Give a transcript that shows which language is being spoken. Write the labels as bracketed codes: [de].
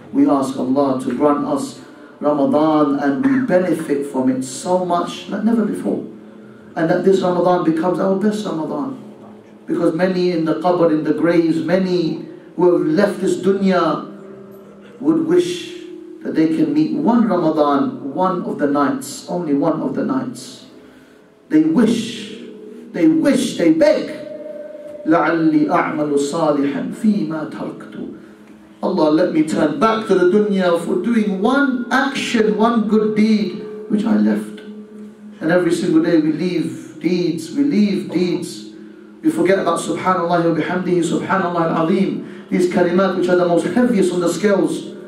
[en] We ask Allah to grant us Ramadan and we benefit from it so much like never before. And that this Ramadan becomes our best Ramadan. Because many in the qabr, in the graves, many who have left this dunya would wish that they can meet one Ramadan, one of the nights, only one of the nights. They wish, they beg. [ar] لَعَلِّي أَعْمَلُ صَالِحًا فِي مَا تَرَكْتُ. [en] Allah, let me turn back to the dunya for doing one action, one good deed, which I left. And every single day we leave deeds. We forget about subhanallah wa bihamdihi, subhanallah al-azim. These kalimat, which are the most heaviest on the scales.